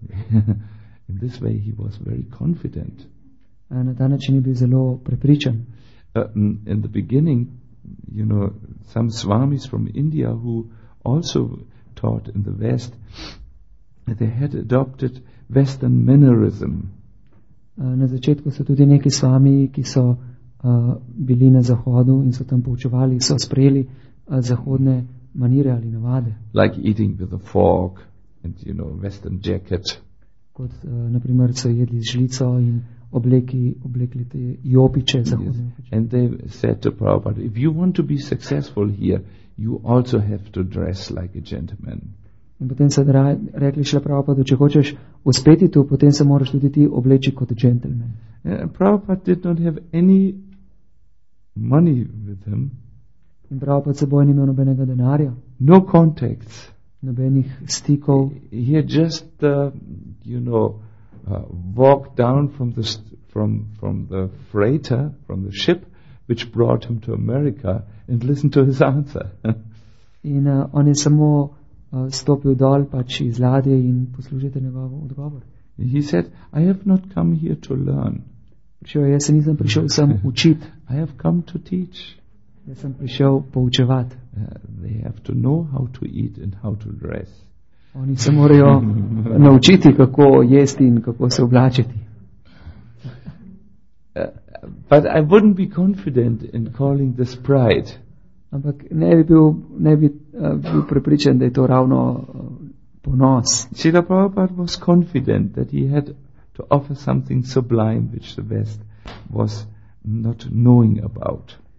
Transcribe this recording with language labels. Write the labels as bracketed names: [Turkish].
[English] In this way he was very confident. [Slovenian] Na ta način je bil zelo prepričan. [English] In the beginning, you know, some swamis from India who also taught in the West, they had adopted Western mannerism. [Slovenian] Na začetku so tudi neki swami, ki so bili na zahodu in so tam poučevali, so sprejeli zahodne manire ali navade. [English] Like eating with a fork and, you know, Western jacket. [Slovenian] Kot naprimer so jedli z žlico in oblekli te jopiče zahodne. [English] Yes. And they said to Prabhupada, "If you want to be successful here, you also have to dress like a gentleman." [Slovenian] In potem so rekli Šle Prabhupada, če hočeš uspeti tu, potem se moraš tudi ti obleči kot gentleman. [English] Prabhupada did not have any money with him. [Slovenian] In Prabhupada seboj ni imel nobenega denarja. [English] No contacts. [Slovenian] Nobenih stikov. [English] He had just, you know, walked down from the the freighter, from the ship, which brought him to America, and listened to his answer. [Slovenian] In on je samo stopil dol pač iz ladje in poslušajte njegov odgovor. [English] He said, "I have not come here to learn." [Slovenian] Prišel, jaz se nisem prišel sem učit. [English] "I have come to teach." [Slovenian] Jaz sem prišel poučevat. [English] They have to know how to eat and how to dress. [Slovenian] Oni se morajo naučiti, kako jesti in kako se oblačiti. [English] But I wouldn't be confident in calling this pride. [Slovenian] Ampak ne bi bil prepričan, da je to ravno ponos. [English] Srila Prabhupada was confident that he had to offer something sublime which the West was not knowing about.